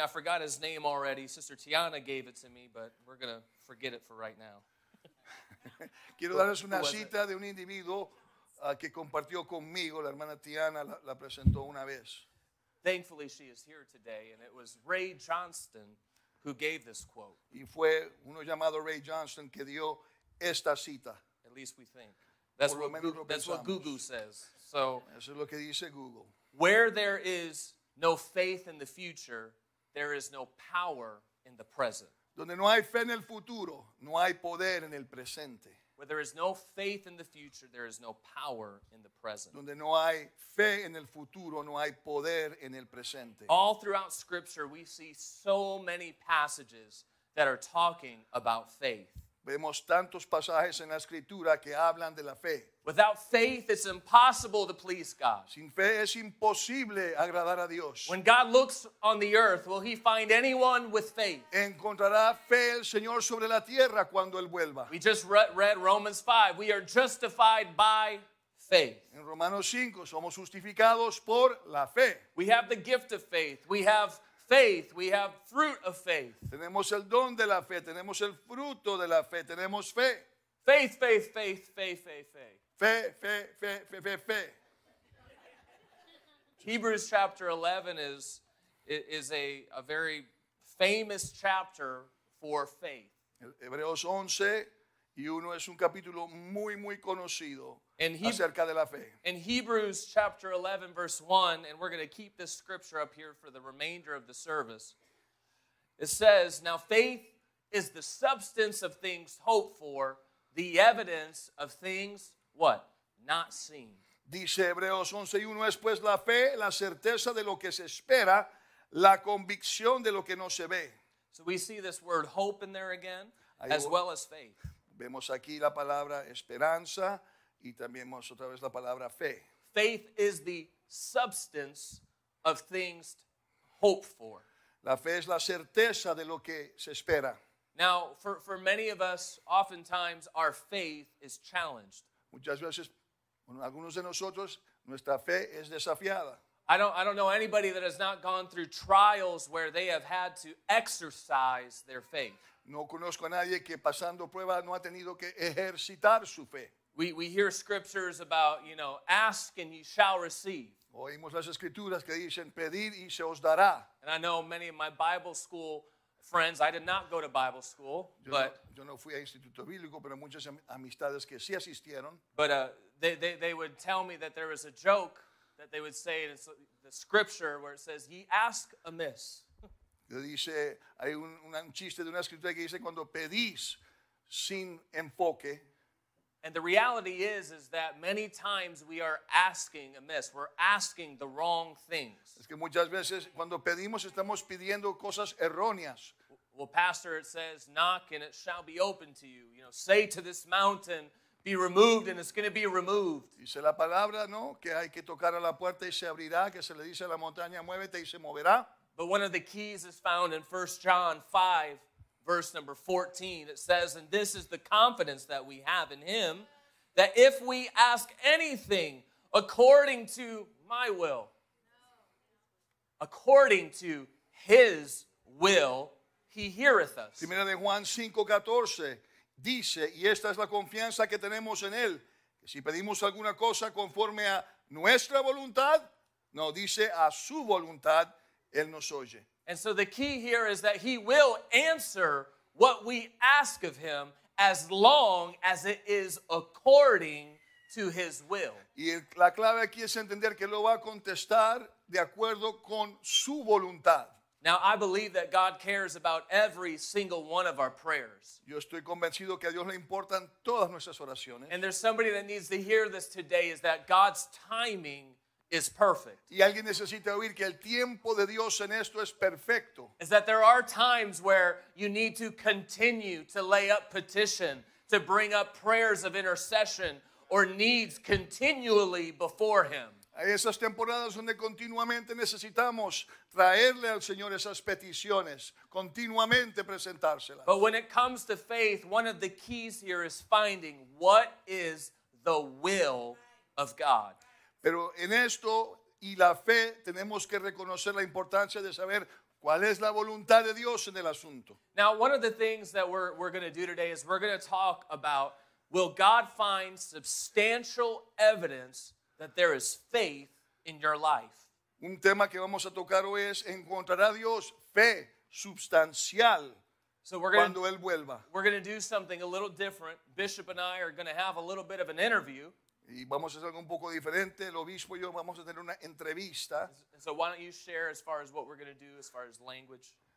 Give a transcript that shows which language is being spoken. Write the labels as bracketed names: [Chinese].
[English] I forgot his name already. Sister Tiana gave it to me, but we're going to forget it for right now. [Spanish] Quiero darles una cita de un individuo que compartió conmigo. La hermana Tiana la presentó una vez. [English] Thankfully, she is here today, and it was Ray Johnston who gave this quote. [Spanish] Y fue uno llamado Ray Johnston que dio esta cita. [English] At least we think. That's what Google says. So, [Spanish] eso es lo que dice Google. [English] Where there is no faith in the future, there is no power in the present. [Spanish] Donde no hay fe en el futuro, no hay poder en el presente. [English] Where there is no faith in the future, there is no power in the present. [Spanish] Donde no hay fe en el futuro, no hay poder en el presente. [English] All throughout Scripture, we see so many passages that are talking about faith. [Spanish] Vemos tantos pasajes en la Escritura que hablan de la fe. [English] Without faith, it's impossible to please God. [Spanish] Sin fe es imposible agradar a Dios. [English] When God looks on the earth, will he find anyone with faith? [Spanish] Encontrará fe el Señor sobre la tierra cuando él vuelva. [English] We just read Romans 5. We are justified by faith. [Spanish] En Romanos 5, somos justificados por la fe. [English] We have the gift of faith. We have faith. We have fruit of faith. [Spanish] Tenemos el don de la fe. Tenemos el fruto de la fe. Tenemos fe. [English] Faith, faith, faith, faith, faith, faith. [Spanish] Fe, fe, fe, fe, fe, fe. [English] Hebrews chapter 11 is a very famous chapter for faith. [Spanish] Hebreos 11 y 1 es un capítulo muy, muy conocido acerca de la fe. [English] In Hebrews chapter 11, verse 1, and we're going to keep this scripture up here for the remainder of the service. It says, now faith is the substance of things hoped for, the evidence of things what? Not seen. [Spanish] Dice Hebreos 11:1, es pues la fe, la certeza de lo que se espera, la convicción de lo que no se ve. [English] So we see this word hope in there again, as well as faith. [Spanish] Vemos aquí la palabra esperanza y también vemos otra vez la palabra fe. [English] Faith is the substance of things hoped for. [Spanish] La fe es la certeza de lo que se espera. [English] Now, for many of us, oftentimes our faith is challenged. [Spanish] Muchas veces, bueno, algunos de nosotros, nuestra fe es desafiada. [English] I don't know anybody that has not gone through trials where they have had to exercise their faith. [Spanish] No conozco a nadie que pasando prueba no ha tenido que ejercitar su fe. [English] We hear scriptures about, you know, ask and you shall receive. [Spanish] Oímos las escrituras que dicen pedir y se os dará. [English] And I know many of my Bible school friends, I did not go to Bible school, but [Spanish] yo no fui a instituto bíblico, pero muchas amistades que sí asistieron. [English] But they would tell me that there was a joke that they would say in the scripture where it says, ye ask amiss. [Spanish] Le dice, hay un chiste de una escritura que dice, cuando pedís sin enfoque. [English] And the reality is that many times we are asking amiss. We're asking the wrong things. [Spanish] Es que muchas veces cuando pedimos estamos pidiendo cosas erróneas. [English] Well, pastor, it says, knock and it shall be opened to you. You know, say to this mountain, be removed and it's going to be removed. [Spanish] Dice la palabra, ¿no? Que hay que tocar a la puerta y se abrirá. Que se le dice a la montaña, muévete y se moverá. [English] But one of the keys is found in 1 John 5, verse number 14. It says, and this is the confidence that we have in him, that if we ask anything according to my will, according to his will, he heareth us. [Spanish] 1 Juan 5, 14 dice, y esta es la confianza que tenemos en él, que si pedimos alguna cosa conforme a nuestra voluntad, no, dice a su voluntad, él nos oye. [English] And so the key here is that he will answer what we ask of him as long as it is according to his will. [Spanish] Y la clave aquí es entender que lo va a contestar de acuerdo con su voluntad. [English] Now I believe that God cares about every single one of our prayers. [Spanish] Yo estoy convencido que a Dios le importan todas nuestras oraciones. [English] And there's somebody that needs to hear this today is that God's timing is perfect. [Spanish] Y alguien necesita oír que el tiempo de Dios en esto es perfecto. [English] Is that there are times where you need to continue to lay up petition, to bring up prayers of intercession or needs continually before him. [Spanish] Hay esas temporadas donde continuamente necesitamos traerle al Señor esas peticiones, continuamente presentárselas. [English] But when it comes to faith, one of the keys here is finding what is the will of God. [Spanish] Pero en esto y la fe tenemos que reconocer la importancia de saber cuál es la voluntad de Dios en el asunto. [English] Now, one of the things that we're going to do today is we're going to talk about, will God find substantial evidence that there is faith in your life? [Spanish] Un tema que vamos a tocar hoy es, ¿encontrará Dios fe sustancial cuando Él vuelva? [English] We're going to do something a little different. Bishop and I are going to have a little bit of an interview. [Spanish] Y vamos a hacer algo un poco diferente. El obispo y yo vamos a tener una entrevista. [English] So why don't you share as far as what we're going to do as far as language?